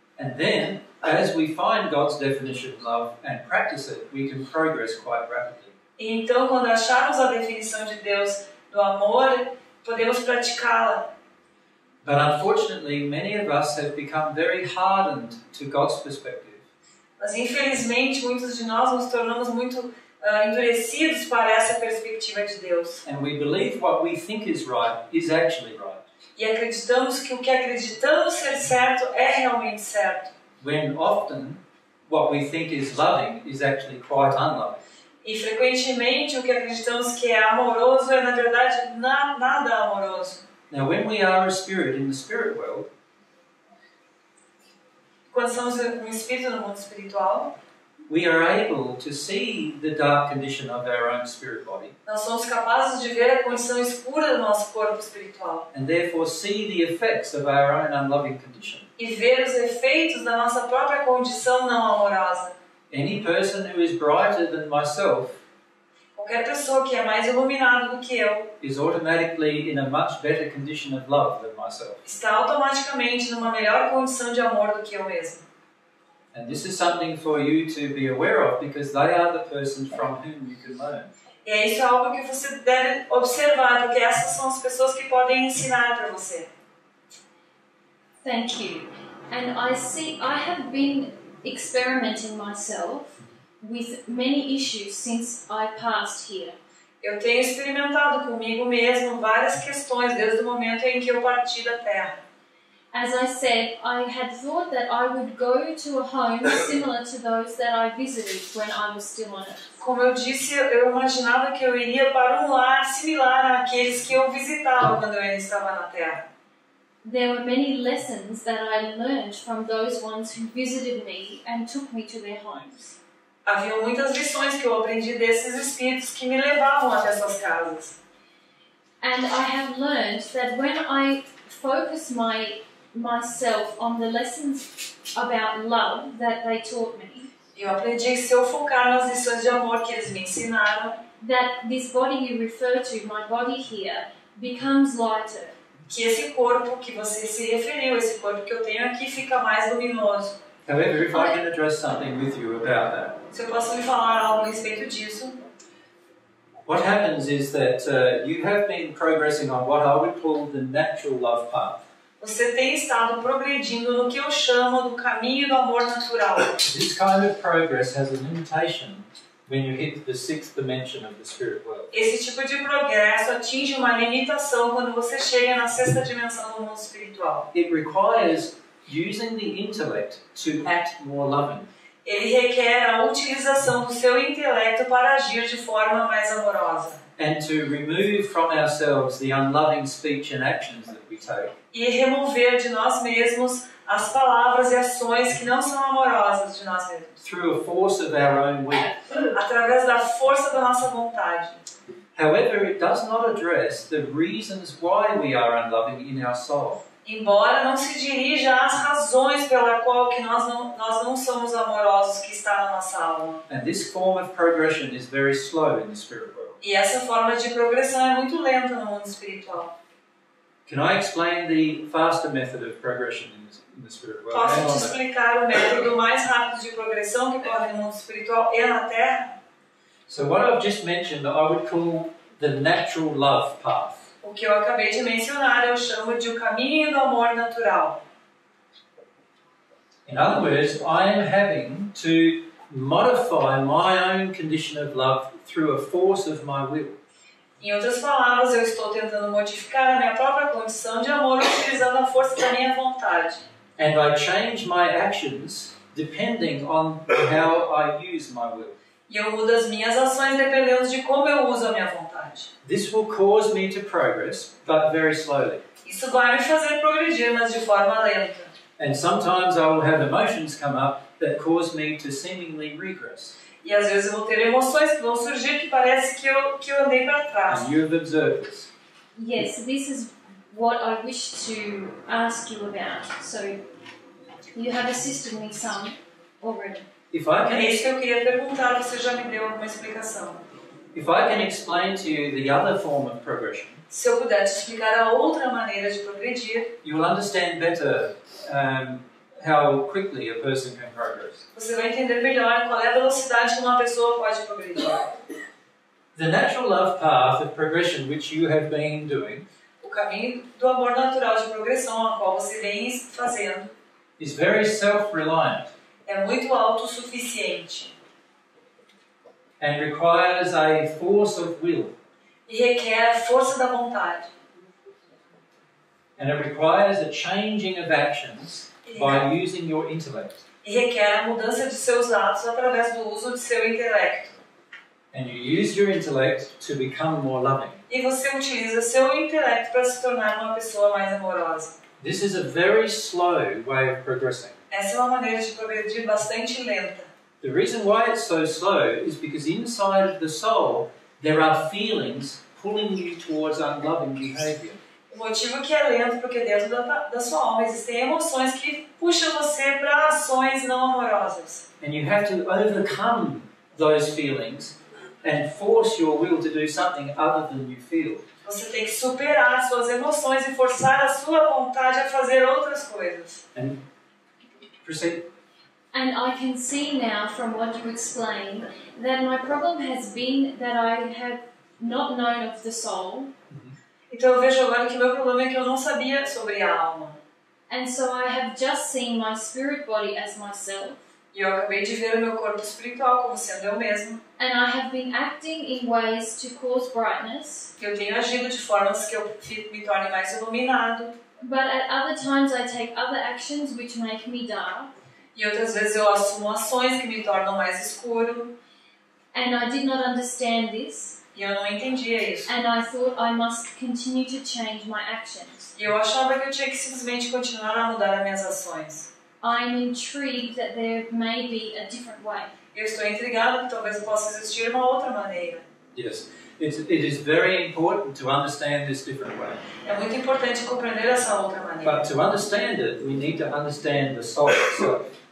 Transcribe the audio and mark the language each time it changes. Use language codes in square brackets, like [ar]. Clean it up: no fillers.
[en] And then, as we find God's definition of love and practice it, we can progress quite rapidly. [pt] Então, quando acharmos a definição de Deus do amor, podemos praticá-la. [en] But unfortunately, many of us have become very hardened to God's perspective. [pt] Mas infelizmente, muitos de nós nos tornamos muito endurecidos para essa perspectiva de Deus. [en] And we believe what we think is right is actually right. [pt] E acreditamos que o que acreditamos ser certo é realmente certo. [en] When often what we think is loving is actually quite unloving. [pt] E frequentemente o que acreditamos que é amoroso é na verdade nada amoroso. [en] Now when we are a spirit in the spirit world, [pt] quando somos um espírito no mundo espiritual, [en] we are able to see the dark condition of our own spirit body. [pt] Nós somos capazes de ver a condição escura do nosso corpo espiritual. [en] And therefore see the effects of our own unloving condition. [pt] E ver os efeitos da nossa própria condição não amorosa. [en] Any person who is brighter than myself, [pt] qualquer pessoa que é mais iluminada do que eu, [en] is automatically in a much better condition of love than myself. [pt] Está automaticamente numa melhor condição de amor do que eu mesmo. [en] And this is something for you to be aware of because they are the persons from whom you can learn. [pt] E isso é algo que você deve observar, porque essas são as pessoas que podem ensinar para você. [en] Thank you. And I have been experimenting myself with many issues since I passed here. [pt] Eu tenho experimentado comigo mesmo várias questões desde o momento em que eu parti da Terra. [en] As I said, I had thought that I would go to a home similar to those that I visited when I was still on Earth. [pt] Como eu disse, eu imaginava que eu iria para lar similar àqueles que eu visitava quando eu ainda estava na Terra. [en] There were many lessons that I learned from those ones who visited me and took me to their homes. [pt] Havia muitas lições que eu aprendi desses espíritos que me levavam até suas casas. [en] And I have learned that when I focus myself on the lessons about love that they taught me. [pt] Eu aprendi que se eu focar nas lições de amor que eles me ensinaram, [en] that this body you refer to, my body here, becomes lighter. [pt] Que esse corpo que você se referiu, esse corpo que eu tenho aqui, fica mais luminoso. [en] However, if I can address something with you about that. [pt] Se eu posso lhe falar algo a respeito disso. [en] What happens is that you have been progressing on what I would call the natural love path. [pt] Você tem estado progredindo no que eu chamo do caminho do amor natural. [en] This kind of progress has a limitation when you hit the sixth dimension of the spirit world. [pt] Esse tipo de progresso atinge uma limitação quando você chega na sexta dimensão do mundo espiritual. [en] It requires using the intellect to act more loving. [pt] Ele requer a utilização do seu intelecto para agir de forma mais amorosa. [en] And to remove from ourselves the unloving speech and actions that we take. [pt] E remover de nós mesmos as palavras e ações que não são amorosas de nós mesmos. [en] Through a force of our own will. [pt] Através da força da nossa vontade. [en] However, it does not address the reasons why we are unloving in our soul. [pt] Embora não se dirija às razões pela qual que nós não somos amorosos que está na nossa alma. [en] And this form of progression is very slow in the spirit world. [pt] E essa forma de progressão é muito lenta no mundo espiritual. [en] Can I explain the faster method of progression in the spirit world? [pt] Posso te explicar o método mais rápido de progressão que corre no mundo espiritual e na Terra? [en] So what I've just mentioned, I would call the natural love path. [pt] O que eu acabei de mencionar eu chamo de o caminho do amor natural. [en] In other words, I am having to modify my own condition of love through a force of my will. [pt] Em outras palavras, eu estou tentando modificar a minha própria condição de amor utilizando a força da minha vontade. [en] And I change my actions depending on how I use my will. [pt] E eu mudo as minhas ações dependendo de como eu uso a minha vontade. [en] This will cause me to progress, but very slowly. [pt] Isso vai me fazer progredir, mas de forma lenta. [en] And sometimes I will have emotions come up that cause me to seemingly regress. [pt] E às vezes eu vou ter emoções que vão surgir que parece que eu andei para trás. [en] And you have observed this. Yes, this is what I wish to ask you about. So, you have assisted me some already. If I can, [pt] é isso que eu queria perguntar, você já me deu alguma explicação. [en] If I can explain to you the other form of progression, [pt] se eu puder te explicar a outra maneira de progredir, [en] you will understand better how quickly a person can progress. [pt] Você vai entender melhor qual é a velocidade que uma pessoa pode progredir. [en] The natural love path of progression which you have been doing, [pt] o caminho do amor natural de progressão ao qual você vem fazendo, [en] is very self-reliant. [pt] É muito autossuficiente. [en] And requires a force of will. [pt] E requer força da vontade. [en] And it requires a changing of actions by using your intellect. [pt] E requer a mudança de seus atos através do uso de seu intelecto. [en] And you use your intellect to become more loving. [pt] E você utiliza seu intelecto para se tornar uma pessoa mais amorosa. [en] This is a very slow way of progressing. [pt] Essa é uma maneira de progredir bastante lenta. [en] The reason why it's so slow is because inside of the soul there are feelings pulling you towards unloving behavior. [pt] O motivo que é lento porque dentro da sua alma existem emoções que puxam você para ações não amorosas. [en] And you have to overcome those feelings and force your will to do something other than you feel. [pt] Você tem que superar suas emoções e forçar a sua vontade a fazer outras coisas. [en] And proceed. And I can see now from what you explain that my problem has been that I have not known of the soul. Mm-hmm. [pt] Então eu vejo agora que meu problema é que eu não sabia sobre a alma. [en] And so I have just seen my spirit body as myself. [pt] E eu acabei de ver o meu corpo espiritual como sendo eu mesmo. [en] And I have been acting in ways to cause brightness. [pt] Eu tenho agido de formas que eu me torne mais iluminado. [en] But at other times I take other actions which make me dark. [pt] E outras vezes eu assumo ações que me tornam mais escuro. [en] And I did not understand this. [pt] E eu não entendia isso. [en] And I thought I must continue to change my actions. [pt] E eu achava que eu tinha que simplesmente continuar a mudar as minhas ações. [en] I'm intrigued that there may be a different way. [pt] Eu estou intrigado que talvez possa existir uma outra maneira. [en] Yes, it is very important to understand this different way. [pt] É muito importante compreender essa outra maneira. [en] But to understand it, we need to understand the soul itself.